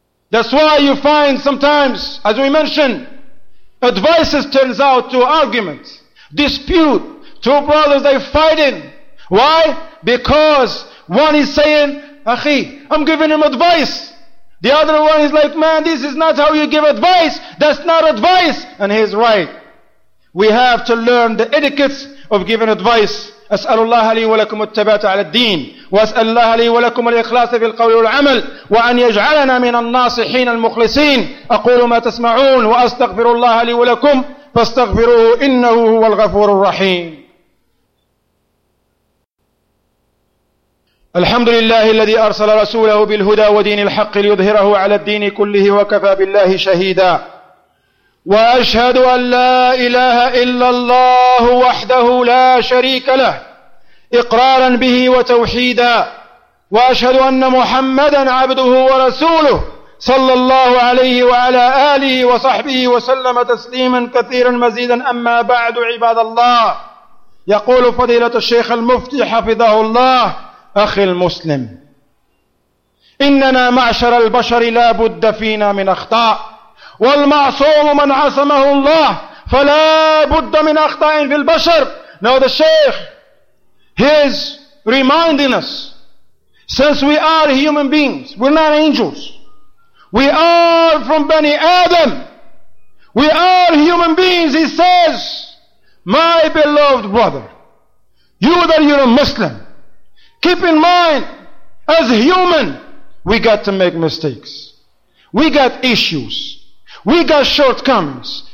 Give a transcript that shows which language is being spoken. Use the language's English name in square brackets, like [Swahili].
[English] That's why you find sometimes, as we mentioned, advices turns out to argument, dispute, two brothers they fighting. Why? Because one is saying, Akhi, I'm giving him advice. The other one is like, man, this is not how you give advice. That's not advice. And he's right. We have to learn the etiquettes of giving advice. [Arabic] أسأل الله لي ولكم التبات على الدين وأسأل الله لي ولكم الإخلاص في القول والعمل وأن يجعلنا من الناصحين المخلصين أقول ما تسمعون وأستغفر الله لي ولكم فاستغفروه إنه هو الغفور الرحيم. الحمد لله الذي أرسل رسوله بالهدى ودين الحق ليظهره على الدين كله وكفى بالله شهيدا. وأشهد أن لا إله إلا الله وحده لا شريك له إقرارا به وتوحيدا. وأشهد أن محمدا عبده ورسوله صلى الله عليه وعلى آله وصحبه وسلم تسليما كثيرا مزيدا. أما بعد عباد الله، يقول فضيلة الشيخ المفتي حفظه الله، أخي المسلم، إننا معشر البشر لا بد فينا من أخطاء، والمعصوم من عصمه الله فلا بد من أخطاء في البشر. [English] Now the Shaykh, he is reminding us, since we are human beings, we're not angels, we are from Bani Adam, we are human beings, he says, my beloved brother, you that you're a Muslim, keep in mind, as human, we got to make mistakes, we got issues, we got shortcomings.